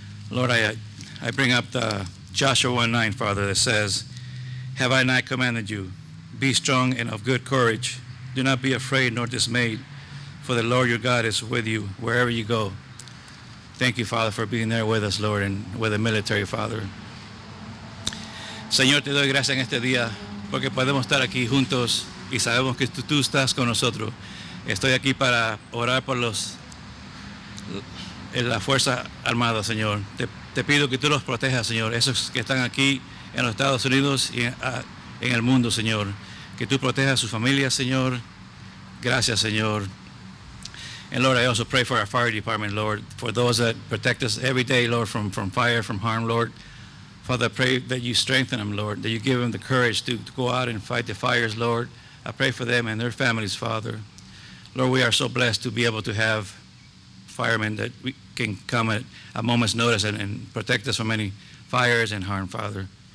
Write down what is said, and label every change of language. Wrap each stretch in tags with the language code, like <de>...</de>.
<en>Lord, I bring up the Joshua 1:9, Father, that says, have I not commanded you, be strong and of good courage. Do not be afraid nor dismayed, for the Lord your God is with you wherever you go. Thank you, Father, for being there with us, Lord, and with the military, Father.</en> <es>Señor, te doy gracias en este día porque podemos estar aquí juntos. Y sabemos que tú estás con nosotros. Estoy aquí para orar por la Fuerza Armada, Señor. Te pido que tú los protejas, Señor. Esos que están aquí en los Estados Unidos y en el mundo, Señor. Que tú protejas a su familia, Señor. Gracias, Señor.</es> <en>And Lord, I also pray for our fire department, Lord. For those that protect us every day, Lord, from fire, from harm, Lord. Father, I pray that you strengthen them, Lord. That you give them the courage to go out and fight the fires, Lord. I pray for them and their families, Father. Lord, we are so blessed to be able to have firemen that we can come at a moment's notice and protect us from any fires and harm, Father.</en>